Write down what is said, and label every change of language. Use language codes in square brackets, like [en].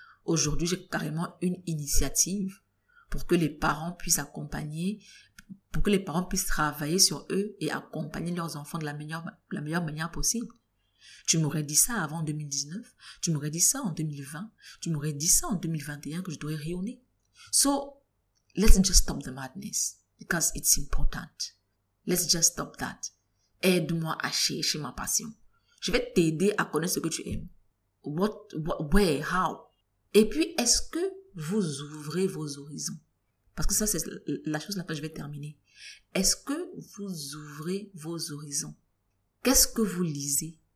[fr] Aujourd'hui, j'ai carrément une initiative pour que les parents puissent accompagner, pour que les parents puissent travailler sur eux et accompagner leurs enfants de la meilleure manière possible. Tu m'aurais dit ça avant 2019, tu m'aurais dit ça en 2020, tu m'aurais dit ça en 2021 que je devrais rayonner. [en] So, let's just stop the madness, because it's important. Let's just stop that. [fr] Aide-moi à chercher ma passion. Je vais t'aider à connaître ce que tu aimes. [en] Where, how? [fr] Et puis, est-ce que vous ouvrez vos horizons? Parce que ça, c'est la chose là que je vais terminer. Est-ce que vous ouvrez vos horizons? Qu'est-ce que vous lisez?